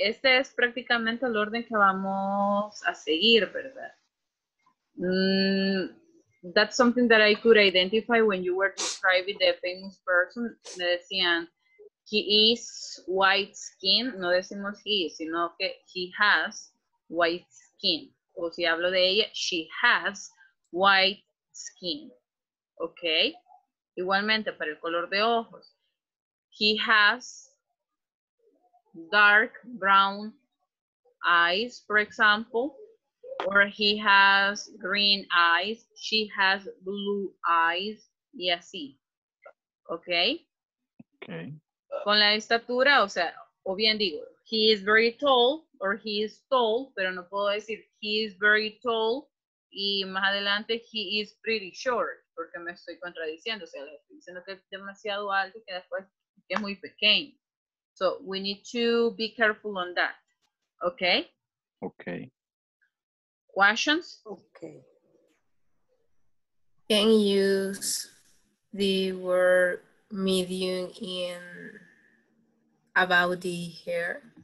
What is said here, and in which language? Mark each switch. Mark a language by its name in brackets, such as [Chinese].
[Spanish] Este es prácticamente el orden que vamos a seguir, ¿verdad? [English] That's something that I could identify when you were describing the famous person. [Spanish] Me decían, [English] he is white skin. [Spanish] No decimos he, sino que [English] he has white skin. [Spanish] O si hablo de ella, [English] she has white skin. [Spanish] Okay. Igualmente, para el color de ojos. [English] He has dark brown eyes, for example. Or he has green eyes, she has blue eyes, [Spanish] y así. [English] Okay? Okay. [Spanish] Con la estatura, o sea, o bien digo, [English] he is very tall, or he is tall, [Spanish] pero no puedo decir [English] he is very tall, [Spanish] y más adelante [English] he is pretty short, [Spanish] porque me estoy contradiciendo, o sea, le estoy diciendo que es demasiado alto y que después es muy pequeño. [English] So, we need to be careful on that. Okay? Okay. Questions? Okay. Can you use the word medium in about the hair?